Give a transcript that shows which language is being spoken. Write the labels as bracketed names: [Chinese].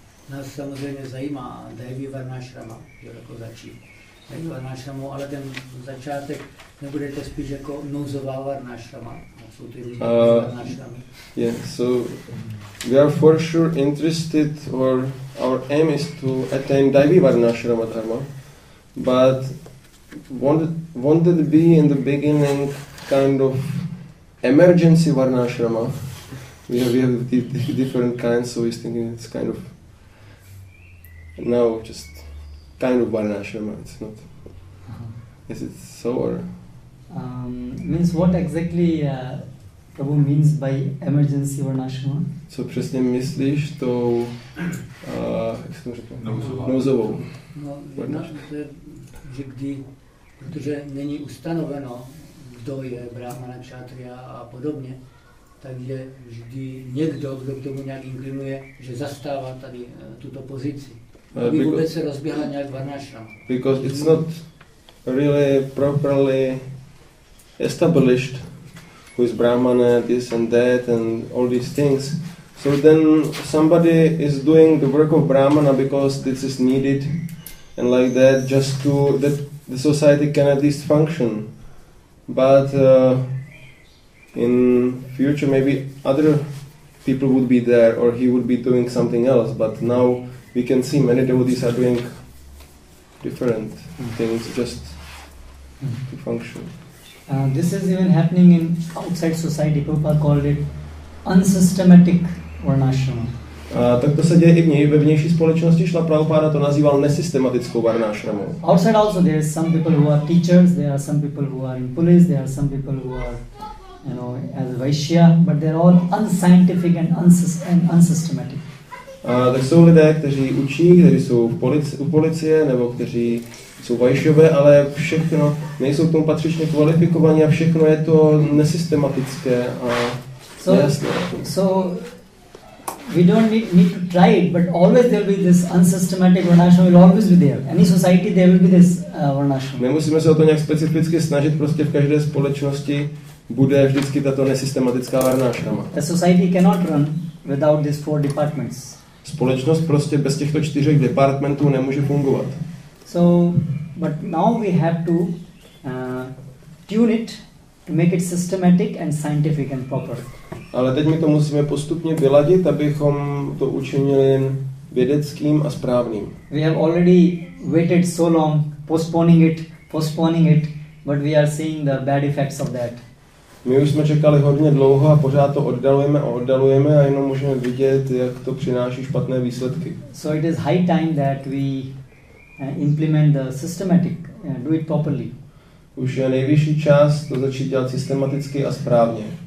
[Czech] Nás samozřejmě zajímá Devi Varnashrama, jako začít. Devi Varnashramu, ale ten začátek nebude to spíš jako nouzová Varnashrama. Jsou ty různé Varnashramy. [English] Yeah, so we are for sure interested, or our aim is to attain Devi Varnashrama Dharma, but wanted to be in the beginning kind of emergency Varnashrama. We have different kinds, so he's thinking it's kind of now just kind of Varnashrama. It's not. Uh-huh. Is it so or? Means what exactly Prabhu means by emergency Varnashrama? [Czech] Co přesně myslíš to? Jak se to říká? Nouzovou. No, že kdy, protože není ustanoveno, kdo je brahmana, kšatria a podobně. Takže vždy někdo, kdo k tomu nějak inklinuje, že zastává tady tuto pozici. Aby vůbec se rozběhla nějak Varnashrama. [English] Because it's not really properly established who is brahmana, this and that and all these things. So then somebody is doing the work of brahmana because this is needed and like that, just to that the society can at least function. But in future, maybe other people would be there, or he would be doing something else. But now we can see many devotees are doing different things just to function. This is even happening in outside society. Prabhupada called it unsystematic Varnashrama. [Czech] Tak to se děje i ve vnější společnosti. Šla Prabhupada to nazýval nesystematickou Varnashramu. [English] Outside also, there are some people who are teachers. There are some people who are in police. There are some people who are, you know, as Vaishya, but they're all unscientific and unsystematic. [Czech] Tak jsou lidé, kteří učí, kteří jsou u policie, nebo kteří jsou Vaishyové, ale všechno, nejsou k tomu patřičně kvalifikovaní a všechno je to nesystematické a nejasné. [English] So we don't need to try it, but always there will be this unsystematic varnashram will always be there. Any society there will be this varnashram. [Czech] Nemusíme se o to nějak specificky snažit, prostě v každé společnosti bude vždycky tato nesystematická varnashrama. [English] A society cannot run without these four departments. [Czech] Společnost prostě bez těchto čtyřech departmentů nemůže fungovat. [English] So, but now we have to tune it to make it systematic and scientific and proper. [Czech] Ale teď my to musíme postupně vyladit, abychom to učinili vědeckým a správným. [English] We have already waited so long, postponing it, but we are seeing the bad effects of that. [Czech] My už jsme čekali hodně dlouho a pořád to oddalujeme a jenom můžeme vidět, jak to přináší špatné výsledky. [English] So it is high time that we implement the systematic, do it properly. [Czech] Už je nejvyšší čas to začít dělat systematicky a správně.